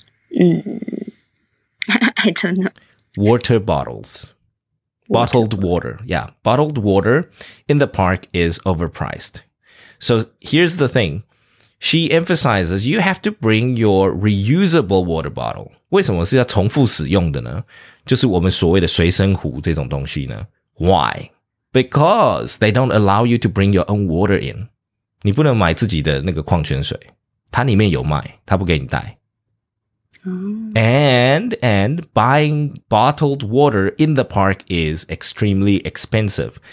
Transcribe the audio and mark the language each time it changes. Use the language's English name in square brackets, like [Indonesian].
[English] I don't know. Water bottles. Bottled water. Yeah, bottled water in the park is overpriced. So here's the thing. She emphasizes you have to bring your reusable water bottle. [Chinese] 为什么是要重复使用的呢？就是我们所谓的随身壶这种东西呢？ [English] Why? Because they don't allow you to bring your own water in. [Chinese] 你不能买自己的那个矿泉水。它里面有卖，它不给你带。 [English] And buying bottled water in the park is extremely expensive.